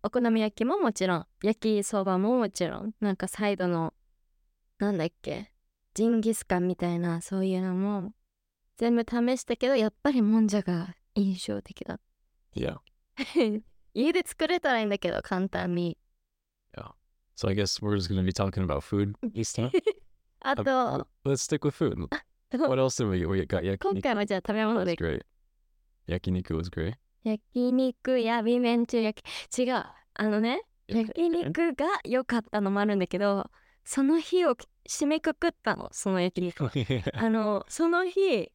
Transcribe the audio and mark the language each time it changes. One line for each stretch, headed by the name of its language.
Japanese: お好み焼きももちろん、焼きそばももちろん、なんかサイドの、なんだっけ、ジンギスカンみたいな、そういうのも全部試したけど、やっぱりもんじゃが印象的だ。
English: Yeah.
Japanese: 家で作れたらいいんだけど、簡単に。
English: Yeah. So I guess we're just gonna be talking about food this time?
Japanese: あと、
English: Let's stick with food. What else did we got? Yakiniku.
Japanese: 今回はじゃあ食べ物で。
English: That's great. Yakiniku was great.
Japanese: 焼肉や
English: we went to
Japanese: 焼き違うあのね焼肉が良かったのもあるんだけどその日を締めくくったのその焼肉あのその日、